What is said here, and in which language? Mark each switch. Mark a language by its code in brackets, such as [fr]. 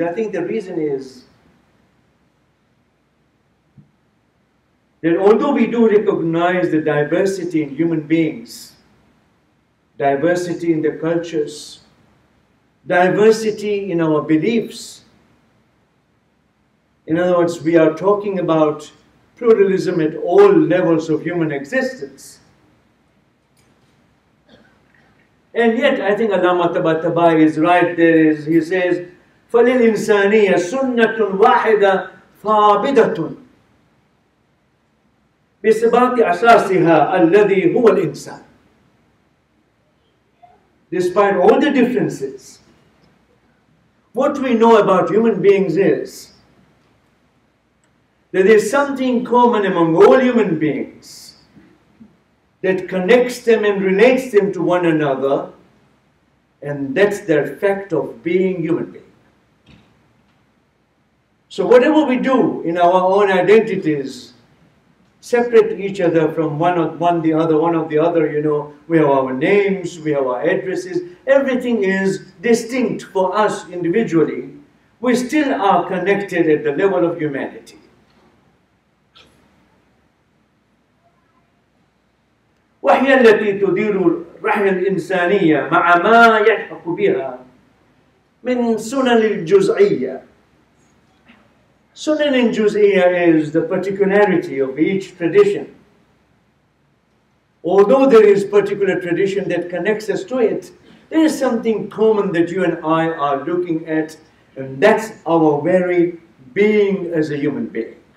[en] I think the reason is that although we do recognize the diversity in human beings, diversity in the cultures, diversity in our beliefs, in other words, we are talking about pluralism at all levels of human existence. And yet, I think Allama Tabatabai is right there. [ar] He says, فَلِلْ إِنسَانِيَ سُنَّةٌ وَاحِدَ ثَابِدَةٌ بِسِبَاتِ أَسَاسِهَا الَّذِي هُوَ الْإِنسَانِ. [en] Despite all the differences, what we know about human beings is that there is something common among all human beings that connects them and relates them to one another, and that's the effect of being human being. So whatever we do in our own identities, separate each other from one of the other, you know, we have our names, we have our addresses, everything is distinct for us individually. we still are connected at the level of humanity. [ar] وهي التي تدير رحم الإنسانية مع ما يلحق بها من سنن الجزئية. [en] Sunan in Juz'iyya is the particularity of each tradition. Although there is particular tradition that connects us to it, there is something common that you and I are looking at, and that's our very being as a human being.